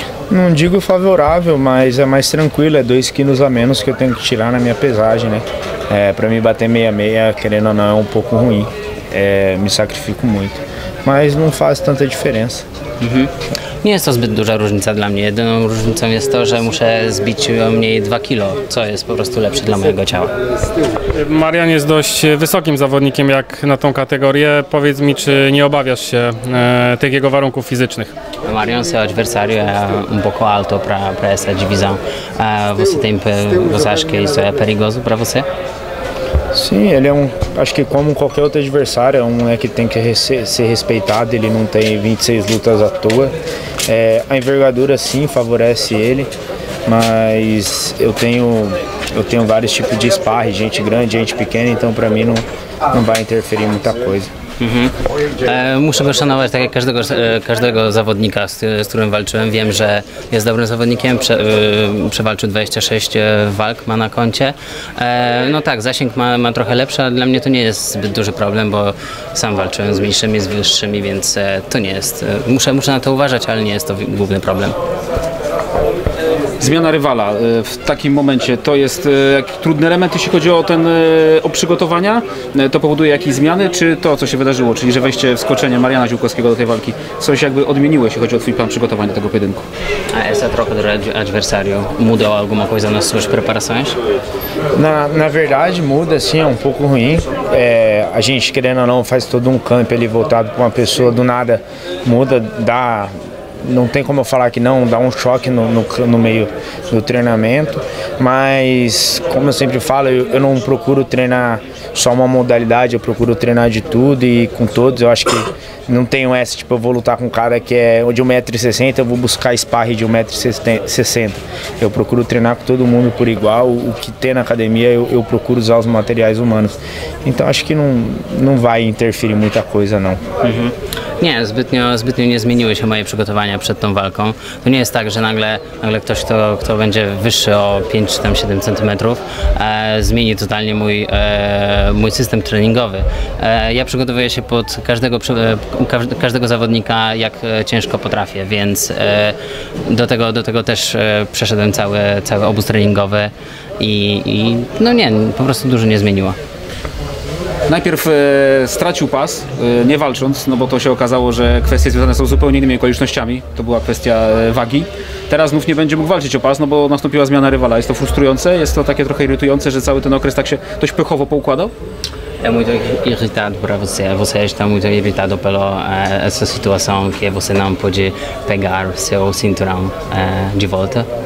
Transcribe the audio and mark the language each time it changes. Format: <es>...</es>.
<pt>Não digo favorável, mas é mais tranquilo, é 2 quilos a menos que eu tenho que tirar na minha pesagem, né? Para mim bater 66, querendo ou não, é pouco ruim. Me sacrifico muito, mas não faz tanta diferença.</pt> <pl>Nie jest to zbyt duża różnica dla mnie. Jedyną różnicą jest to, że muszę zbić o mniej 2 kilo, co jest po prostu lepsze dla mojego ciała. Marian jest dość wysokim zawodnikiem jak na tą kategorię. Powiedz mi, czy nie obawiasz się tych jego warunków fizycznych?</pl> <pt>Marian, seu adversário é pouco alto para essa divisão. Você tem, você acha que isso é perigoso para você? Sim, ele é acho que como qualquer outro adversário, é que tem que ser respeitado, ele não tem 26 lutas à toa. A envergadura sim favorece ele, mas eu tenho vários tipos de sparring, gente grande, gente pequena, então para mim não vai interferir em muita coisa.</pt> <pl>Muszę go szanować tak jak każdego zawodnika, z którym walczyłem. Wiem, że jest dobrym zawodnikiem, przewalczył 26 walk ma na koncie. No tak, zasięg ma trochę lepszy, ale dla mnie to nie jest zbyt duży problem, bo sam walczyłem z mniejszymi, z wyższymi, więc to nie jest. Muszę na to uważać, ale nie jest to główny problem. Zmiana rywala w takim momencie, to jest jakiś trudny element, jeśli chodzi o przygotowania? To powoduje jakieś zmiany, czy to, co się wydarzyło, czyli że wejście, wskoczenie Mariana Ziółkowskiego do tej walki, coś jakby odmieniło, jeśli chodzi o twój plan przygotowań do tego pojedynku?</pl> <pt>A essa troca do adversário mudou alguma coisa nas suas preparações? Na verdade, muda sim, é pouco ruim. A gente, querendo ou não, faz todo camp ali voltado para uma pessoa, do nada muda, dá... Não tem como eu falar que não, dá choque no meio do treinamento, mas como eu sempre falo, eu não procuro treinar só uma modalidade, eu procuro treinar de tudo e com todos. Eu acho que não tenho essa, tipo, eu vou lutar com um cara que é de 1,60m, eu vou buscar sparring de 1,60m. Eu procuro treinar com todo mundo por igual, o que tem na academia eu procuro usar os materiais humanos. Então acho que não vai interferir muita coisa não.</pt> <pl>Nie, zbytnio nie zmieniły się moje przygotowania przed tą walką. To nie jest tak, że nagle ktoś, kto będzie wyższy o 5 czy tam 7 centymetrów, zmieni totalnie mój system treningowy. Ja przygotowuję się pod każdego zawodnika, jak ciężko potrafię, więc do tego też przeszedłem cały obóz treningowy i no nie, po prostu dużo nie zmieniło. Najpierw stracił pas, nie walcząc, no bo to się okazało, że kwestie związane są z zupełnie innymi okolicznościami. To była kwestia wagi. Teraz znów nie będzie mógł walczyć o pas, no bo nastąpiła zmiana rywala. Jest to frustrujące, jest to takie trochę irytujące, że cały ten okres tak się dość pechowo poukładał?</pl> <pt>É muito irritado para você. Você está muito irritado pela essa situação que você não pode pegar seu cinturão de volta.</pt>